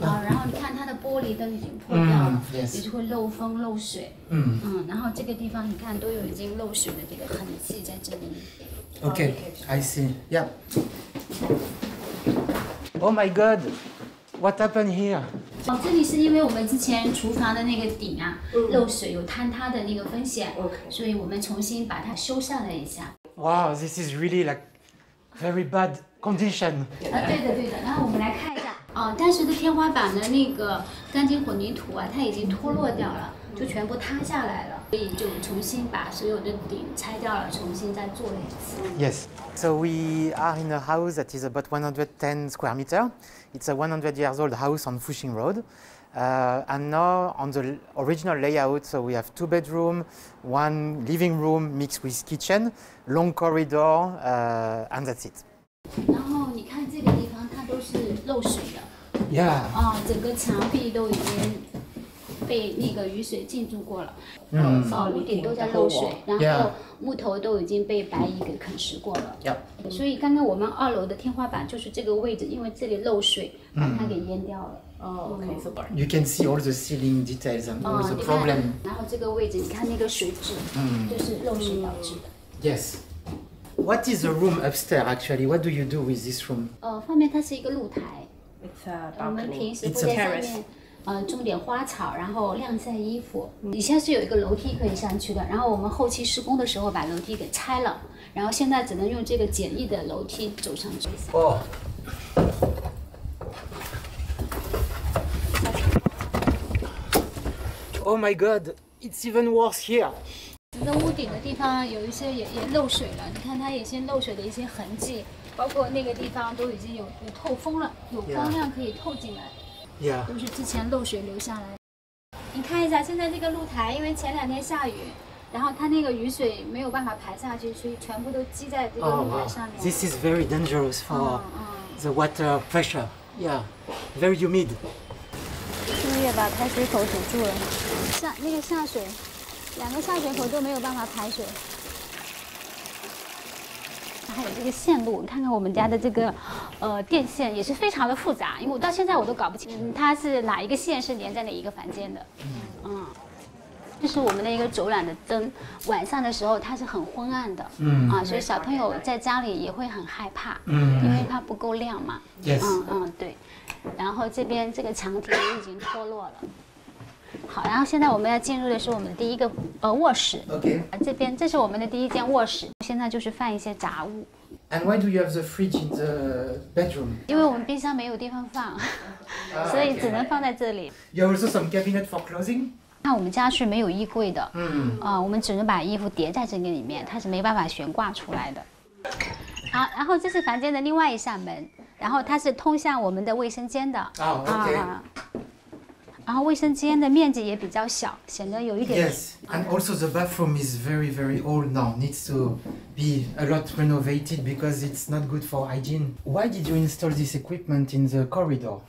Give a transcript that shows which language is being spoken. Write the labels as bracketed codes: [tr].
[zh] 然后你看它的玻璃都已经破掉了，也是会漏风漏水。然后这个地方你看都有已经漏水的这个痕迹在这里。 [en] Okay, I see. Yeah. Oh my God, what happened here? [zh] 哦，这里是因为我们之前厨房的那个顶啊，漏水有坍塌的那个风险，所以我们重新把它修缮了一下。 [en] Wow, this is really like very bad condition. [zh] 对的。然后我们来看一下，哦，当时的天花板的那个钢筋混凝土啊，它已经脱落掉了。就全部塌下来了，所以就重新把所有的顶拆掉了，重新再做了一次。 [en] Yes, so we are in a house that is about 110 square meter. It's a 100 years old house on Fuxing Road. And now on the original layout, so we have two bedroom, one living room mixed with kitchen, long corridor, and that's it. [zh] 然后你看这个地方，它都是漏水的。 [en] Yeah. [zh] 哦，整个墙壁都已经。被那个雨水浸住过了，屋顶都在漏水，然后木头都已经被白蚁给啃食过了。 [en] Yeah. [zh] 所以刚刚我们二楼的天花板就是这个位置，因为这里漏水，把它给淹掉了。 [en] You can see all the ceiling details and all the problem. [zh] 然后这个位置，你看那个水渍，就是漏水导致的。 [en] Yes. What is the room upstairs actually? What do you do with this room? [zh] 后面它是一个露台。 [en] It's a balcony. [zh] 我们平时会在上面。种点花草，然后晾晒衣服。底下是有一个楼梯可以上去的，然后我们后期施工的时候把楼梯给拆了，然后现在只能用这个简易的楼梯走上去。 [en] Oh my God, it's even worse here. [zh] 整个屋顶的地方有一些也漏水了，你看它有些漏水的一些痕迹，包括那个地方都已经有透风了，有光亮可以透进来。 [en] Yeah. [zh] 都是之前漏水流下来。你看一下现在这个露台，因为前两天下雨，然后它那个雨水没有办法排下去，所以全部都积在这个露台上面。 [en] This is very dangerous for the water pressure. Yeah, very humid. [zh] 树叶把排水口堵住了，下水，两个下水口都没有办法排水。还有这个线路，看看我们家的这个，电线也是非常的复杂，因为我到现在我都搞不清它是哪一个线是连在哪一个房间的。这是我们的一个走廊的灯，晚上的时候它是很昏暗的。所以小朋友在家里也会很害怕。因为怕不够亮嘛。对。然后这边这个墙体已经脱落了。好，然后现在我们要进入的是我们的第一个卧室。 [en] OK。 [zh] 这边这是我们的第一间卧室，现在就是放一些杂物。 [en] And why do you have the fridge in the bedroom? [zh] 因为我们冰箱没有地方放，所以只能放在这里。 [en] You have also some cabinet for clothing? [zh] 那我们家是没有衣柜的。我们只能把衣服叠在这个里面，它是没办法悬挂出来的。好，然后这是房间的另外一扇门，然后它是通向我们的卫生间的。 [en] OK。 [zh] 然后卫生间的面积也比较小，显得有一点。 [en] Yes, and also the bathroom is very very old now. Needs to be a lot renovated because it's not good for hygiene. Why did you install this equipment in the corridor?